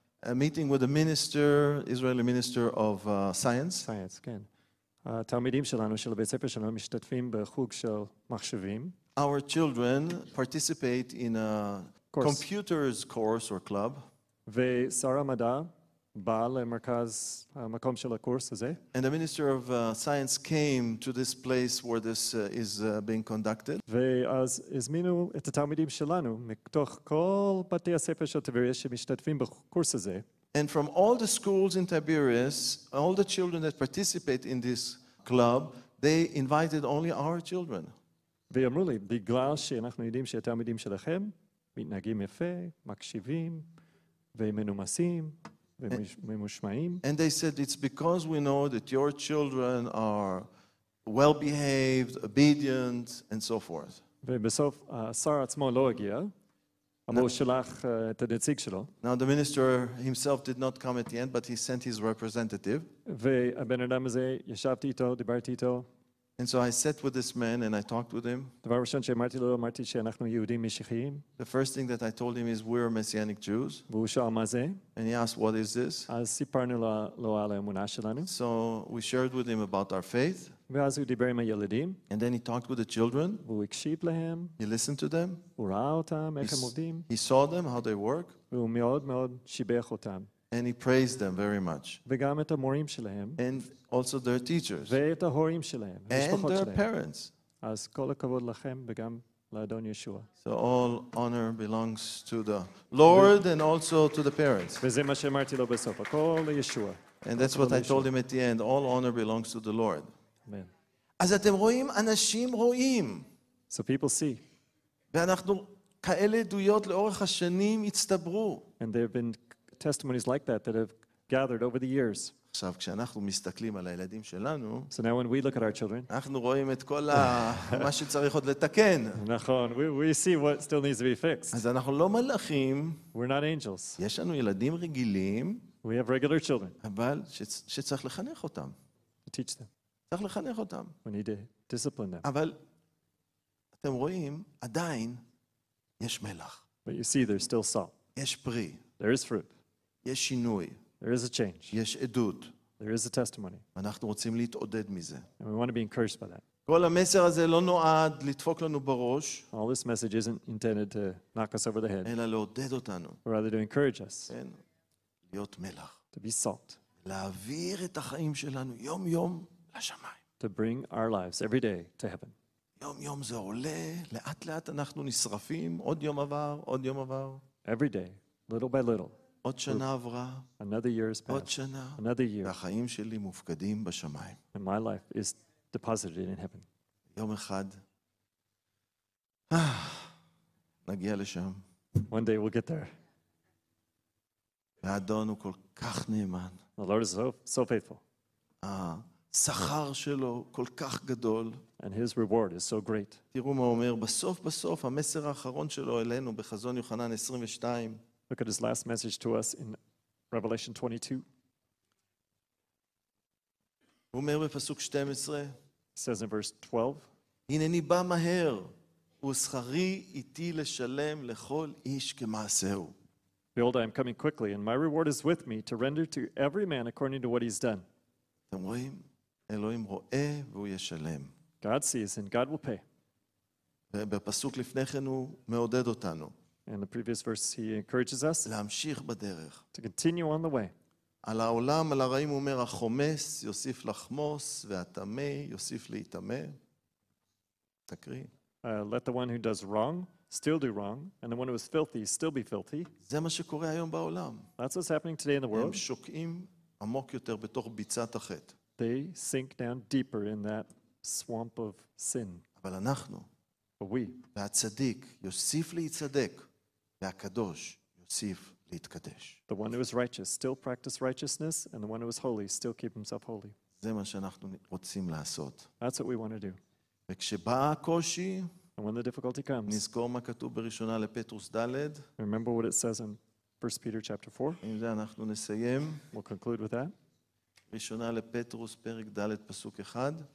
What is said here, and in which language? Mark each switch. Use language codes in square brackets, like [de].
[en] A meeting with the minister, Israeli minister of science. Science, [he] כן. התלמידים שלנו, של בית ספר שלנו, משתתפים בחוג של מחשבים. [en] Our children participate in a course. Computers course or club. [he] ושר המדע בא למרכז, המקום של הקורס הזה. [en] And the minister of science came to this place where this is being conducted. [he] ואז הזמינו את התלמידים שלנו, מתוך כל בתי הספר של טבריה שמשתתפים בקורס הזה. [en] And from all the schools in Tiberias, all the children that participate in this club, they invited only our children. [he] ואמרו לי, בגלל שאנחנו יודעים שהתלמידים שלכם מתנהגים יפה, מקשיבים ומנומסים וממושמעים. [en] And they said, it's because we know that your children are well-behaved, obedient, and so forth. [he] ובסוף, השר עצמו לא הגיע. [en] Now the minister himself did not come at the end, but he sent his representative. And so I sat with this man and I talked with him. The first thing that I told him is we're Messianic Jews. And he asked, what is this? So we shared with him about our faith. [he] ואז הוא דיבר עם הילדים. [en] And then he talked with the children. [he] והוא הקשיב להם. [en] He listened to them. [he] הוא ראה אותם, איך הם עובדים. [en] He saw them, how they work. [he] והוא מאוד מאוד שיבח אותם. [en] And he praised them very much. [he] וגם את המורים שלהם. [en] And also their teachers. [he] ואת ההורים שלהם. [en] And their parents. [he] אז כל הכבוד לכם וגם לאדון ישוע. [en] So all honor belongs to the Lord and also to the parents. [he] וזה מה שאמרתי לו בסוף, הכל לישוע. [en] And that's what I told him at the end. All honor belongs to the Lord. Amen. [he] אז אתם רואים, אנשים רואים. [en] So people see. [he] ואנחנו, כאלה עדויות לאורך השנים הצטברו. [en] And there have been testimonies like that that have gathered over the years. [he] עכשיו, כשאנחנו מסתכלים על הילדים שלנו, [en] so now when we look at our children, [he] אנחנו רואים את כל מה שצריך עוד לתקן. נכון, [en] we see what still needs to be fixed. [he] אז אנחנו לא מלאכים. [en] We're not angels. [he] יש לנו ילדים רגילים. [en] We have regular children. [he] אבל שצריך לחנך אותם. [en] To teach them. [he] צריך לחנך אותם. [en] We need to discipline them. [he] אבל אתם רואים, עדיין יש מלח. [en] But you see, there's still salt. [he] יש פרי. [en] There is fruit. [he] יש שינוי. [en] There is a change. [he] יש עדות. [en] There is a testimony. [he] אנחנו רוצים להתעודד מזה. [en] And we want to be encouraged by that. [he] כל המסר הזה לא נועד לדפוק לנו בראש. [en] All this message isn't intended to knock us over the head. [he] אלא לעודד אותנו. [en] But rather to encourage us. [he] כן. להיות מלח. [en] To be salt. [he] להעביר את החיים שלנו יום יום. [en] To bring our lives every day to heaven. [he] יום יום זה עולה, לאט לאט אנחנו נשרפים, עוד יום עבר, עוד יום עבר. [en] Every day, little by little. [he] עוד שנה עברה. [en] Another year has passed. [he] עוד שנה. [en] Another year. [he] והחיים שלי מופקדים בשמיים. [en] And my life is deposited in heaven. [he] יום אחד. נגיע לשם. [en] One day we'll get there. [he] האדון הוא כל כך נאמן. [en] The Lord is so faithful. [he] שכר שלו כל כך גדול. [en] And his reward is so great. [he] תראו מה אומר, בסוף בסוף, המסר האחרון שלו אלינו בחזון יוחנן 22. [en] Look at his last message to us in Revelation 22. [he] הוא אומר בפסוק 12. [en] It says in verse 12. [he] הנני בא מהר, ושכרי איתי לשלם לכל איש כמעשהו. [en] Behold, I am coming quickly, and my reward is with me to render to every man according to what he's done. [he] אתם רואים? אלוהים רואה והוא ישלם. [en] God sees and God will pay. [he] ובפסוק לפני כן הוא מעודד אותנו. [en] In the previous verse, he encourages us [he] להמשיך בדרך. [en] To continue on the way. [he] על העולם, על הרעים, הוא אומר, החומס יוסיף לחמוס, והתאמה יוסיף להתאמה. תקריא. [en] Let the one who does wrong still do wrong, and the one who is filthy still be filthy. [he] זה מה שקורה היום בעולם. [en] That's what's happening today in the world. [he] הם שוקעים עמוק יותר בתוך ביצת החטא. [en] They sink down deeper in that swamp of sin. [he] אבל אנחנו, והצדיק יוסיף להיצדק, והקדוש יוסיף להתקדש. [en] The one who is righteous still practice righteousness, and the one who is holy still keep himself holy. [he] זה מה שאנחנו רוצים לעשות. [en] That's what we want to do. [he] וכשבא הקושי, [en] and when the difficulty comes, [he] נזכור מה כתוב בראשונה לפטרוס דלד. [en] Remember what it says in 1 Peter chapter 4. [he] עם זה אנחנו נסיים. [en] We'll conclude with that. [he] ראשונה לפטרוס פרק דלד פסוק אחד.